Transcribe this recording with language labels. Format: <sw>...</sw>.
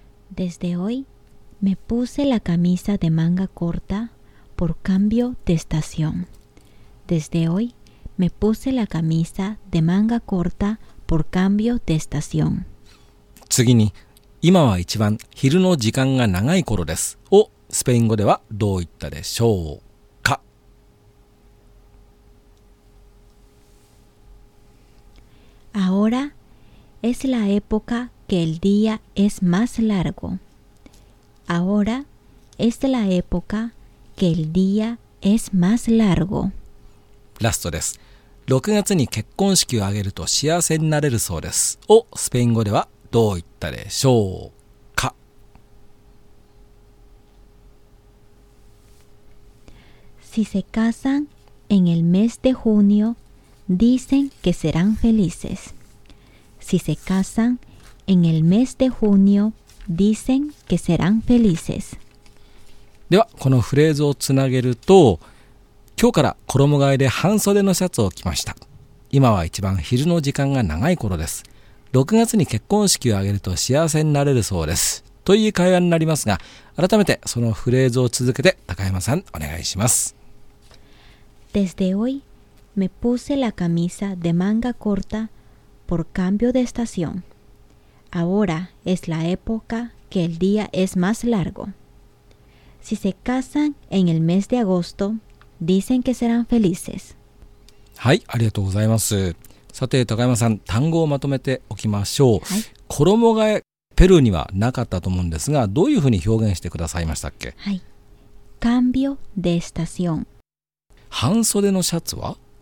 <es>Desde hoy me puse la camisa de manga corta por cambio de estación. Desde hoy me puse la camisa de manga corta por cambio de estación.</es> <ja>次に、今は一番昼の時間が長い頃ですをスペイン語ではどう言ったでしょうか？</ja> <es>Ahora es la época que el día es más largo. Ahora es la época que el día es más largo.</es> <ja>ラストです。 6月に結婚式を挙げると幸せになれるそうですをスペイン語ではどう言ったでしょうか？</ja> <es>Si se casan en el mes de junio, dicen que serán felices. Si se casan en el mes de junio, dicen que serán felices.</es> <ja>では、このフレーズをつなげると、今日から衣替えで半袖のシャツを着ました。今は一番昼の時間が長い頃です。6月に結婚式を挙げると幸せになれるそうです。という会話になりますが、改めてそのフレーズを続けて高山さん、お願いします。</ja> <es>Desde hoy, me puse la camisa de manga corta por cambio de estación. Ahora es la época que el día es más largo. Si se casan en el mes de agosto, dicen que serán felices.</es> <ja>はい、ありがとうございます。さて、高山さん、単語をまとめておきましょう。はい、衣替え、ペルーにはなかったと思うんですが、どういうふうに表現してくださいましたっけ？</ja> <es>はい。Cambio de estación.</es> <ja>半袖のシャツは？</ja>